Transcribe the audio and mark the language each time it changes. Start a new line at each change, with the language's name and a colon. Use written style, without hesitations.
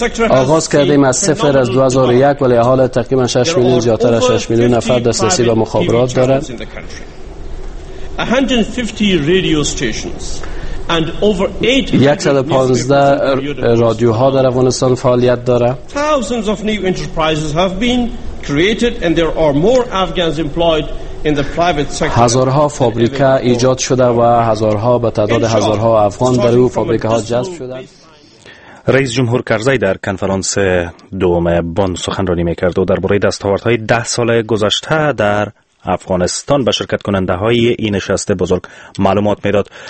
Persian: آغاز کردیم از صفر از 2001 ولی حال تقریبا 6 میلیون زیادتر از 6 میلیون نفر دسترسی به مخابرات دارند.
English: 150 radio stations and over
Persian: 815 رادیوها در افغانستان فعالیت داره.
English: Thousands of new enterprises have been created and there are more Afghans employed in the private sector.
Persian: هزارها فابریکا ایجاد شده و هزارها به تعداد هزارها افغان در او فابریکا ها جذب شده. رئیس جمهور کرزی در کنفرانس دوم بن سخنرانی میکرد و درباره دستاوردهای 10 سال گذشته در افغانستان به شرکت کننده های این نشست بزرگ معلومات میداد.